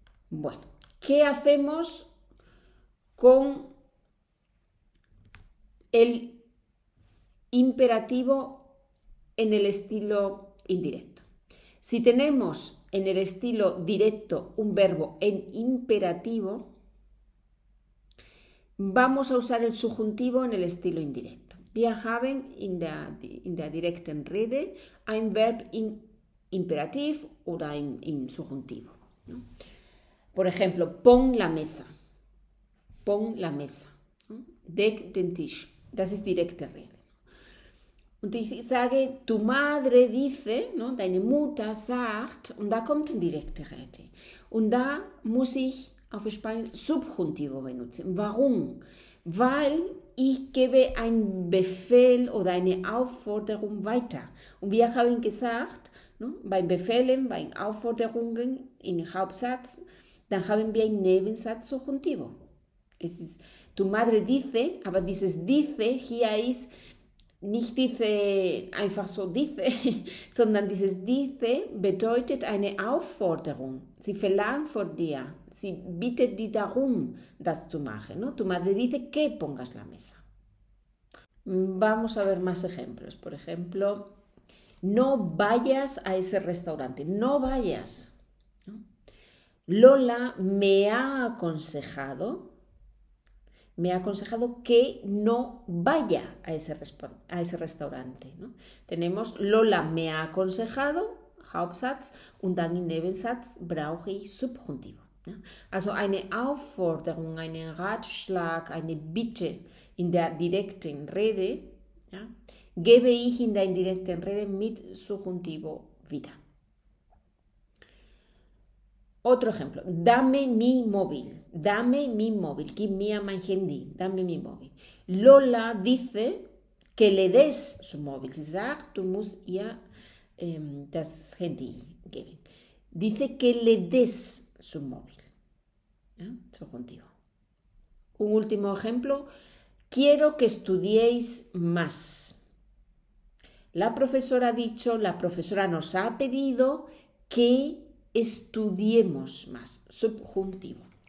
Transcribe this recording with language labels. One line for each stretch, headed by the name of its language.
Spanish: Bueno, ¿qué hacemos con el imperativo en el estilo indirecto? Si tenemos en el estilo directo un verbo en imperativo, vamos a usar el subjuntivo en el estilo indirecto.
German: Wir haben in der direkten Rede ein Verb in Imperativ oder in Subjuntivo, ¿no?
Spanish: Por ejemplo, pon la mesa. Pon la mesa, ¿no?
German: Deck den Tisch. Das ist direkte Rede. Und ich sage,
Spanish: tu madre dice,
German: ¿no? Deine Mutter sagt, und da kommt eine direkte Rede. Und da muss ich auf Spanisch Subjuntivo benutzen. Warum? Weil ich gebe einen Befehl oder eine Aufforderung weiter. Und wir haben gesagt, ¿no? Bei Befehlen, bei Aufforderungen im Hauptsatz, dann haben wir einen Nebensatz Subjuntivo. Es ist,
Spanish: tu madre dice,
German: aber dieses dice hier ist nicht dice einfach so dice, sondern dieses dice bedeutet eine Aufforderung. Sie verlangt von dir, sie bittet dich darum, das zu machen.
Spanish: No? Tu madre dice que pongas la mesa. Vamos a ver más ejemplos. Por ejemplo, no vayas a ese restaurante, no vayas. Lola me ha aconsejado que no vaya a ese restaurante, ¿no? Tenemos Lola me ha aconsejado,
German: Hauptsatz, und dann im Nebensatz brauche ich Subjuntivo, ¿no? Also eine Aufforderung, einen Ratschlag, eine Bitte in der direkten Rede, ¿ya? Gebe ich in der indirekten Rede mit Subjuntivo wieder.
Spanish: Otro ejemplo, dame mi móvil, dame mi móvil,
English: give me my handy,
Spanish: dame mi móvil. Lola dice que le des su móvil,
German: sie sagt, du musst ihr das Handy geben.
Spanish: Dice que le des su móvil, ¿ya? Subjuntivo. Un último ejemplo, quiero que estudiéis más. La profesora ha dicho, la profesora nos ha pedido que estudiemos más, subjuntivo.